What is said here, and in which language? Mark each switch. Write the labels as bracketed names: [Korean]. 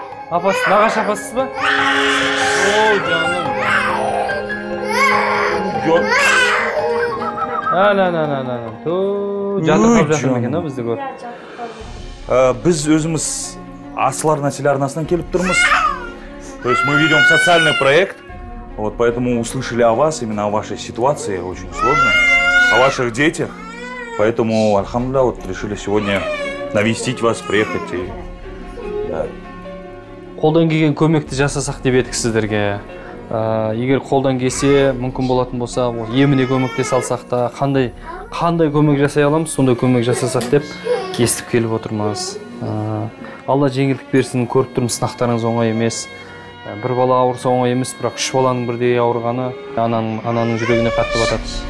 [Kazakh] Апасы, нағаш апасысыз ба? Оу, жаным. Әл-әл-әл-әл-әл-әл. Жатыр қалып жатыр мекен, а бізді көр? Біз өзіміз асылар нәтиле арнасынан келіп тұрмыз. [Russian] То есть мы ведем социальный проект, вот поэтому услышали о вас, именно о вашей ситуации, очень сложно, о ваших детях. Поэтому, альхамдулилла, вот решили сегодня навестить вас, приехать и... Да. [Kazakh] Қолдан келген көмекті жасасақ деп едік сіздерге. Егер қолдан келсе, мүмкін болатын болса, еміне көмекте салсақ та, қандай көмек жасай аламыз, сонда көмек жасасақ деп естіп келіп отырмаз. Алла жеңілдік берсін, көріп тұрмыз, сынақтарыңыз оңай емес. Бір бала ауырса оңай емес, бірақ үш баланың бірдей ауырғаны ананың жүрегіне қатты батады.